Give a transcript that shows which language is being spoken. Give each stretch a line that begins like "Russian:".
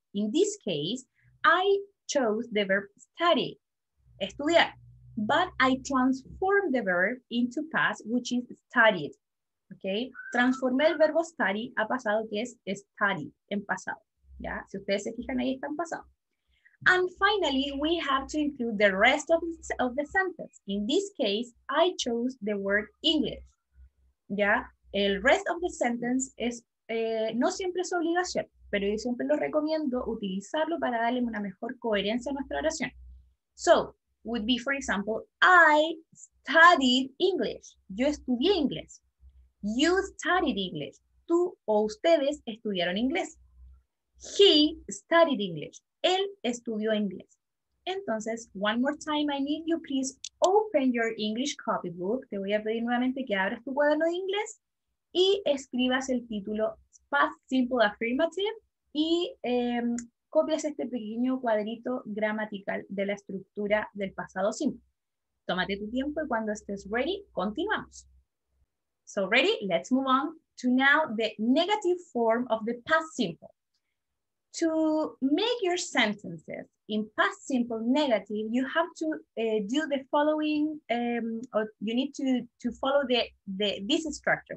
English: In this case, I chose the verb study, estudiar, but I transformed the verb into past, which is studied, okay?
Spanish: Transformé el verbo study a pasado, que es study, en pasado, ¿ya? Si ustedes se fijan ahí, está en pasado.
English: And finally, we have to include the rest of the sentence. In this case, I chose the word English.
Spanish: ¿Ya? El rest of the sentence es, no siempre es obligación, pero yo siempre lo recomiendo utilizarlo para darle una mejor coherencia a nuestra oración.
English: So, would be, for example, I studied English.
Spanish: Yo estudié inglés.
English: You studied English.
Spanish: Tú o ustedes estudiaron inglés.
English: He studied English.
Spanish: Él estudió inglés.
English: Entonces, one more time, I need you please open your English copybook.
Spanish: Te voy a pedir nuevamente que abras tu cuaderno de inglés y escribas el título Past Simple Affirmative y copias este pequeño cuadrito gramatical de la estructura del pasado simple. Tómate tu tiempo y cuando estés ready, continuamos.
English: So ready, let's move on to now the negative form of the past simple. To make your sentences in past simple negative, you have to do the following, or you need to follow this structure.